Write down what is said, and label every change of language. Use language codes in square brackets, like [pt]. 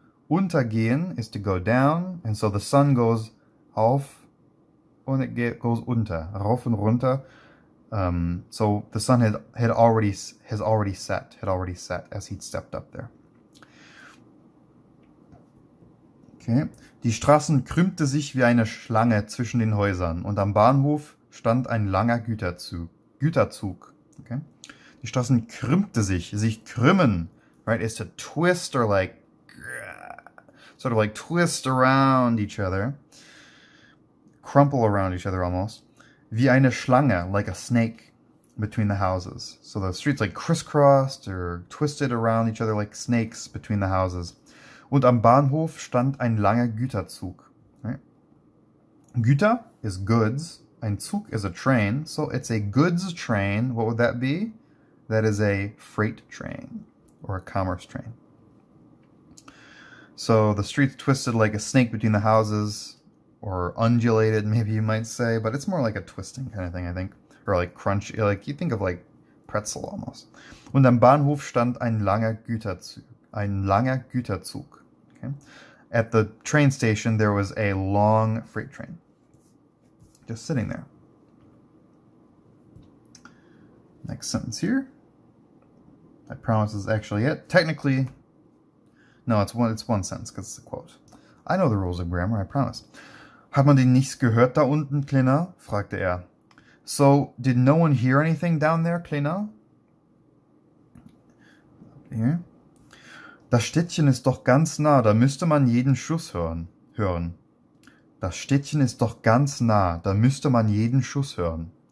[en] Untergehen is to go down. And so the sun goes auf und it goes unter. [de] Rauf und runter. [en] So the sun had already set as he'd stepped up there. Okay. [de] Die Straßen krümmte sich wie eine Schlange zwischen den Häusern und am Bahnhof stand ein langer Güterzug. [en] Okay. [de] Die Straßen krümmte sich krümmen, [en] right, is to twist or like, sort of like twist around each other, crumple around each other almost, [de] wie eine Schlange, [en] like a snake, between the houses. So the streets like crisscrossed or twisted around each other like snakes between the houses. [de] Und am Bahnhof stand ein langer Güterzug, right? [en] Güter is goods, ein Zug is a train, so it's a goods train, what would that be? That is a freight train or a commerce train. So the streets twisted like a snake between the houses, or undulated, maybe you might say, but it's more like a twisting kind of thing, I think. Or like crunch, like you think of like pretzel almost. [de] Und am Bahnhof stand ein langer Güterzug. [en] Okay. At the train station, there was a long freight train just sitting there. Next sentence here. I promise is actually it. Technically, no, it's one sentence because it's a quote. I know the rules of grammar, I promise. [de] Hat man denn nichts gehört da unten, Kleiner? Fragte er. [en] So, did no one hear anything down there, Kleiner? Here. [de] Das Städtchen ist doch ganz nah, da müsste man jeden Schuss hören. Das Städtchen ist doch ganz nah, da müsste man jeden Schuss hören.